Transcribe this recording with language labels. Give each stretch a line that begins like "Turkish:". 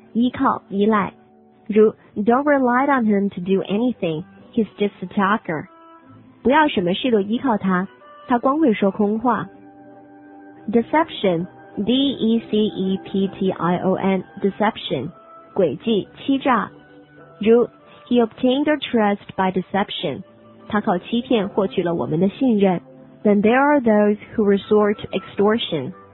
Chinese: 依靠、依赖，
English: 如 Don't rely on him to do anything. He's just a talker.
Chinese: 不要什么事都依靠他，他光会说空话。
English: Deception, D-E-C-E-P-T-I-O-N, deception,
Chinese: 诡计、欺诈。
English: 如 He obtained our trust by deception.
Chinese: 他靠欺骗获取了我们的信任。
English: Then there are those who resort to extortion.